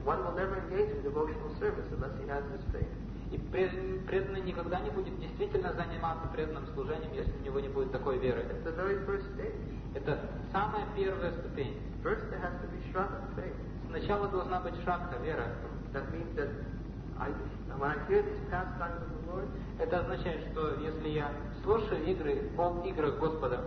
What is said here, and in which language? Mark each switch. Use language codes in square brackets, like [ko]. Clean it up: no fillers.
[en] One will never engage in devotional service unless he has this faith. [ru] И преданный никогда не будет действительно заниматься преданным служением, если у него не будет такой веры. [en] It's the very first stage. [ru] Это самая первая ступень. [en] First there has to be shraddha, faith. [ru] Сначала должна быть шрадха, вера. [en] That means that when I hear these pastimes of the Lord, [ru] это означает, что если я слушаю игры, полигры Господа,